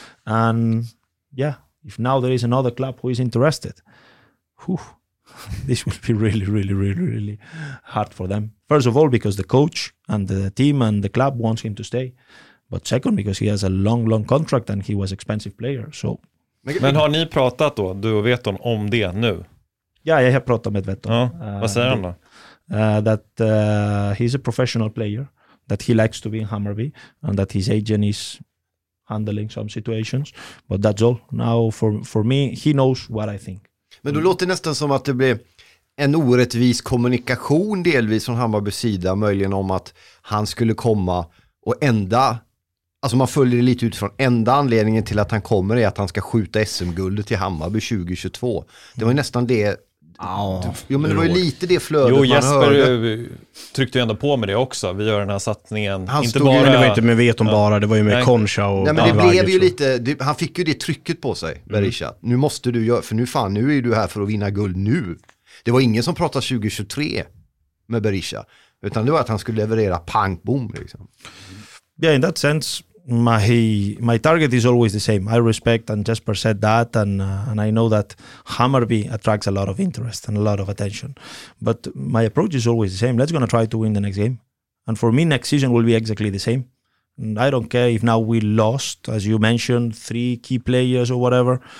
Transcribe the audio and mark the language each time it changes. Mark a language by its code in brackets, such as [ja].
[en] And yeah, if now there is another club who is interested, whew, this will be really, really, really, really hard for them. First of all, because the coach and the team and the club wants him to stay. But second, because he has a long, long contract and he was an expensive player. So. [sv] Men har ni pratat då, du och Veton, om det nu? Ja, jag har pratat med Veton. Vad säger han då? [en] That he's a professional player. That he likes to be in Hammarby and that his agent is handling some situations. But that's all. Now for me, he knows what I think. [sv] Men då låter det nästan som att det blir en orättvis kommunikation delvis från Hammarby sida, möjligen om att han skulle komma och ända, alltså man följer det lite utifrån, enda anledningen till att han kommer är att han ska skjuta SM-guldet till Hammarby 2022. Det var ju nästan det. Jo, men det var ju lite det flödet jo, man Jesper hörde. Jo, Jesper tryckte ju ändå på med det också. Vi gör den här satsningen. Han inte stod bara, ju, det var inte med Veton bara, det var ju med Koncha och... Nej, men det blev ju lite... Han fick ju det trycket på sig, Berisha. Mm. Nu måste du göra... För nu fan, nu är du här för att vinna guld nu. Det var ingen som pratade 2023 med Berisha. Utan det var att han skulle leverera pang-boom, liksom. [en] Yeah, in that sense... My target is always the same. I respect, and Jesper said that, and I know that Hammarby attracts a lot of interest and a lot of attention. But my approach is always the same. Let's gonna try to win the next game. And for me, next season will be exactly the same. And I don't care if now we lost, as you mentioned, 3 key players or whatever.